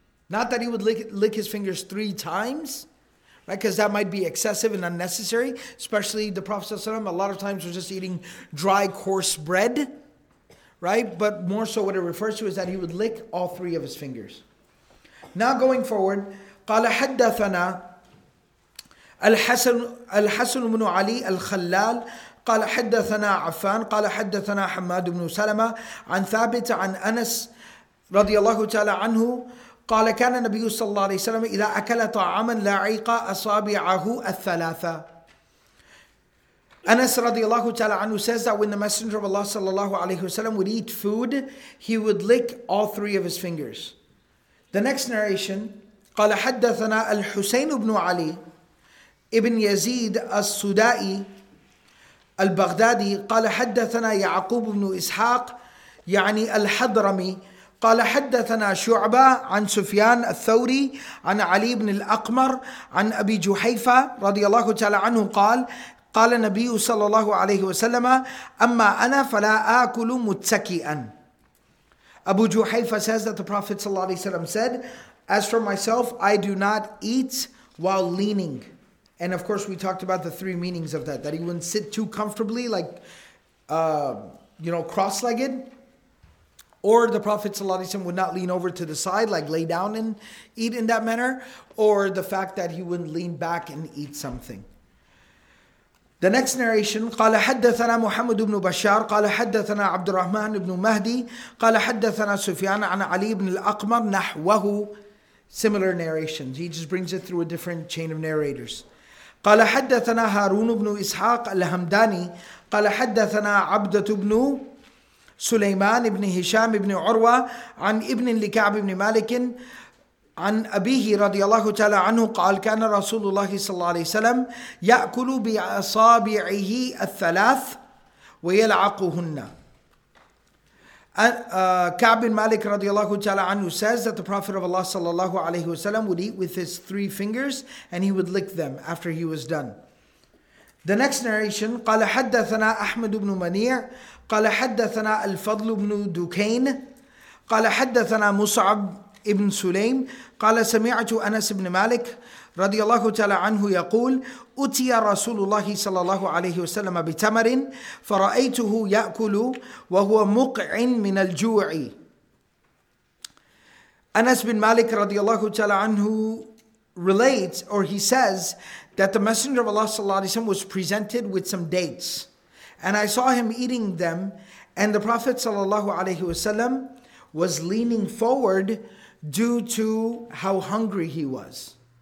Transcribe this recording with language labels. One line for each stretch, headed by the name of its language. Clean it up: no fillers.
English: Not that he would lick his fingers three times, right? Because that might be excessive and unnecessary. Especially the Prophet ﷺ, a lot of times was just eating dry, coarse bread, right? But more so what it refers to is that he would lick all three of his fingers. Now going forward,
Arabic: قَالَ حَدَّثَنَا الْحَسَنُ بْنُ عَلِي الْخَلَّالِ قال حدثنا عفان قال حدثنا حماد بن سلمة عن ثابت عن أنس رضي الله تعالى عنه قال كان النبي صلى الله عليه وسلم إذا أكل طعاما لعق أصابعه الثلاثة.
English: Anas radiallahu ta'ala anhu says that when the Messenger of Allah sallallahu alayhi wa sallam would eat food, he would lick all three of his fingers. The next narration,
Arabic: قال حدثنا الحسين بن علي ابن يزيد السدائي البغدادي قال حدثنا يعقوب بن إسحاق يعني الحضرمي قال حدثنا شعبة عن سفيان الثوري عن علي بن الأقمر عن أبي جحيفة رضي الله تعالى عنه قال قال النبي صلى الله عليه وسلم أما أنا فلا آكل متكئا.
English: أبو جحيفة says that the Prophet
Arabic: صلى الله عليه وسلم
English: said, as for myself, I do not eat while leaning. And of course, we talked about the three meanings of that. That he wouldn't sit too comfortably, like, cross-legged. Or the Prophet ﷺ would not lean over to the side, like lay down and eat in that manner. Or the fact that he wouldn't lean back and eat something. The next narration,
Arabic: قال حدثنا محمد بن بشار قال حدثنا عبد الرحمن بن مهدي قال حدثنا سفيان عن علي بن الأقمر نحوه.
English: Similar narrations. He just brings it through a different chain of narrators.
Arabic: قال حدثنا هارون بن إسحاق الهمداني قال حدثنا عبدة بن سليمان بن هشام بن عروة عن ابن لكعب بن مالك عن أبيه رضي الله تعالى عنه قال كان رسول الله صلى الله عليه وسلم يأكل بأصابعه الثلاث ويلعقهن.
English: Ka'b bin Malik radiallahu ta'ala anhu says that the Prophet of Allah sallallahu alayhi wasallam would eat with his three fingers and he would lick them after he was done. The next narration,
Arabic: قال حدثنا أحمد بن منيع قال حدثنا الفضل بن دكين قال حدثنا مصعب بن سليم قال سمعت أنس بن مالك رضي الله تعالى عنه يقول أتي رسول الله صلى الله عليه وسلم بتمر فرأيته يأكل وهو مقع من الجوع.
English: Anas bin Malik
Arabic: رضي الله تعالى عنه
English: relates, or he says, that the Messenger of Allah
Arabic: صلى الله عليه وسلم
English: was presented with some dates, and I saw him eating them, and the Prophet صلى الله عليه وسلم was leaning forward due to how hungry he was.